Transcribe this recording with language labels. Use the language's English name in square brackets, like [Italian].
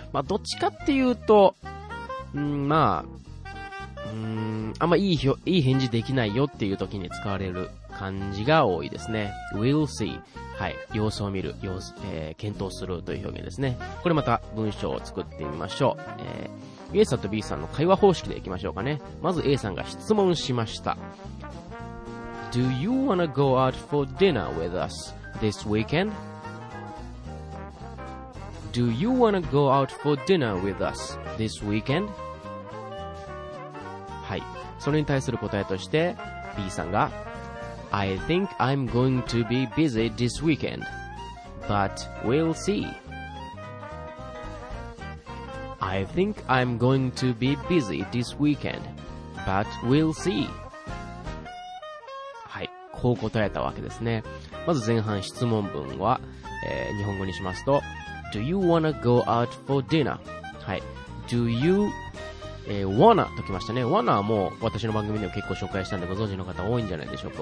[Japanese] まあどっちかっていうと、んーまあ、あんまいい返事できないよっていう時に使われる感じが多いですね。 We'll see、 はい、様子を見る、様子、検討するという表現ですね。これまた文章を作ってみましょう。A さんと B さんの会話方式でいきましょうかね。まず A さんが質問しました。 [English] Do you wanna go out for dinner with us this weekend? Do you wanna go out for dinner with us this weekend? [Japanese] はい、それに対する答えとして B さんが [English] I think I'm going to be busy this weekend, but we'll see. I think I'm going to be busy this weekend, but we'll see. [Japanese] はい、こう答えたわけですね。まず前半質問文は、日本語にしますと、 [English] Do you wanna go out for dinner? [Japanese] はい、Do you、wanna ときましたね。 wanna はもう私の番組でも結構紹介したんでご存知の方多いんじゃないでしょうか。